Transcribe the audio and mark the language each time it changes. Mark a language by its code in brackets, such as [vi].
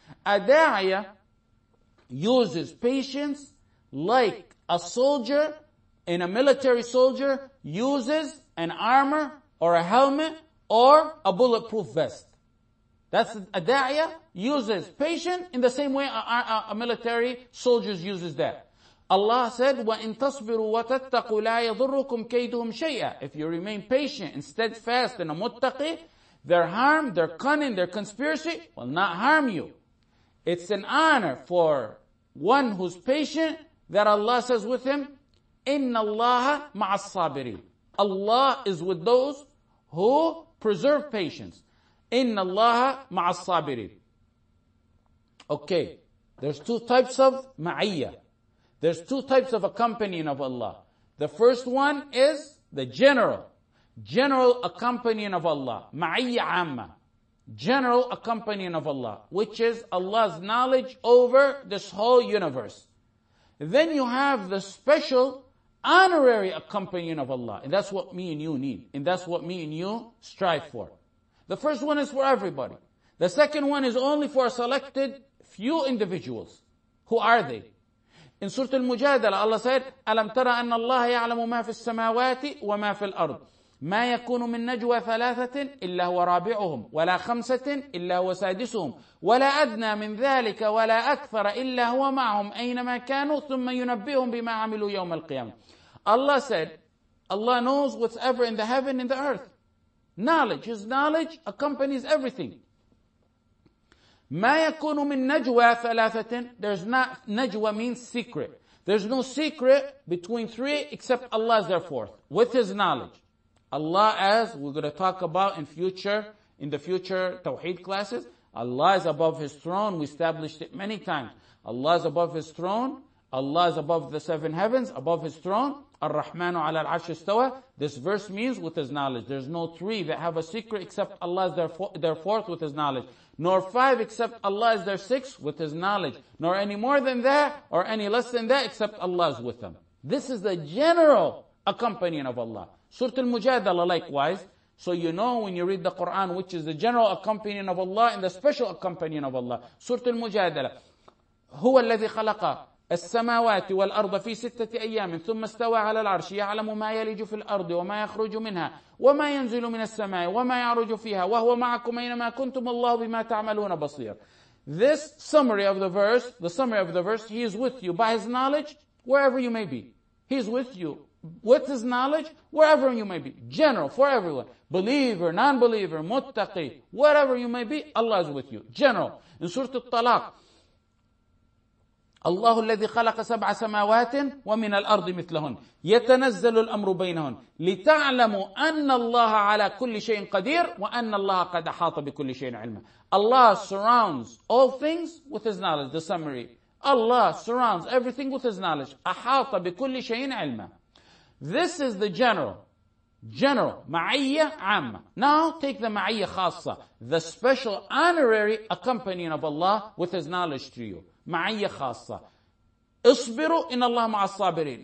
[en] A da'iyah uses patience like a soldier in a military soldier uses an armor or a helmet or a bulletproof vest. That's a da'iyah uses patience in the same way a military soldier uses that. Allah said, [ar] وَإِن تَصْبِرُوا وَتَتَّقُوا لَا يَضُرُّكُمْ كَيْدُهُمْ شَيْئًا. [en] If you remain patient and steadfast in a muttaqi, their harm, their cunning, their conspiracy will not harm you. It's an honor for one who's patient that Allah says with him, [ar] إِنَّ اللَّهَ مَعَ الصَّابِرِينَ. [en] Allah is with those who preserve patience. [ar] إِنَّ اللَّهَ مَعَ الصَّابِرِينَ. [en] Okay, there's two types of ma'iyyah. There's two types of accompanying of Allah. The first one is the general accompanying of Allah, ma'iyyah amma, general accompanying of Allah, which is Allah's knowledge over this whole universe. Then you have the special honorary accompanying of Allah, and that's what me and you need, and that's what me and you strive for. The first one is for everybody. The second one is only for a selected few individuals. Who are they? In Surah Al-Mujadala, Allah said, [ar] أَلَمْ تَرَ أَنَّ اللَّهَ يَعْلَمُ مَا فِي السَّمَاوَاتِ وَمَا فِي الْأَرْضِ مَا يَكُونُ مِنْ نَجْوَى ثَلَاثَةٍ إِلَّا هُوَ رَابِعُهُمْ وَلَا خَمْسَةٍ إِلَّا هُوَ سَادِسُهُمْ وَلَا أَدْنَى مِنْ ذَلِكَ وَلَا أَكْثَرَ إِلَّا هُوَ مَعَهُمْ أَيْنَمَا كَانُوا ثُمَّ يُنَبِّئُهُمْ بِمَا عَمِلُوا يَوْمَ الْقِيَامَةِ. [en] Allah said, Allah knows whatever in the heaven and the earth. Knowledge, His knowledge accompanies everything. [ar] مَا يَكُونُ مِنْ نَجْوَى ثَلَاثَةٍ. [en] There's not, najwa means secret. There's no secret between three except Allah is their fourth, with His knowledge. Allah, as we're going to talk about in the future Tawheed classes, Allah is above His throne. We established it many times. Allah is above His throne. Allah is above the seven heavens, above His throne. [ar] Ar-Rahmanu ala al-Arsh istawa. [en] This verse means with His knowledge. There's no three that have a secret except Allah is their fourth with His knowledge. Nor five except Allah is their sixth with His knowledge. Nor any more than that or any less than that except Allah is with them. This is the general accompanying of Allah. Surah Al-Mujadala likewise. So you know when you read the Quran which is the general accompanying of Allah and the special accompanying of Allah. Surah Al-Mujadala. [ar] هو الذي خلق السماوات والأرض في ستة أيام ثم استوى على العرش يعلم ما يلج في الأرض وما يخرج منها وما ينزل من السماء وما يعرج فيها وهو معكم أينما كنتم الله بما تعملون بصير. [en] This summary of the verse, He is with you by His knowledge wherever you may be. He is with you with His knowledge wherever you may be. General, for everyone. Believer, non-believer, muttaqi, wherever you may be, Allah is with you. General. In Surah Al-Talaq, [ar] الله الذي خلق سبع سماوات ومن الأرض مثلهن يتنزل الأمر بينهن لتعلموا أن الله على كل شيء قدير وأن الله قد أحاط بكل شيء علما. [en] Allah surrounds all things with His knowledge. The summary. Allah surrounds everything with His knowledge. [ar] أحاط بكل شيء علما. [en] This is the general. General. [ar] معيّة عامة. [en] Now take the [ar] معيّة خاصة. [en] The special honorary accompanying of Allah with His knowledge to you. [ar] معي خاصة. اصبروا إن الله مع الصابرين.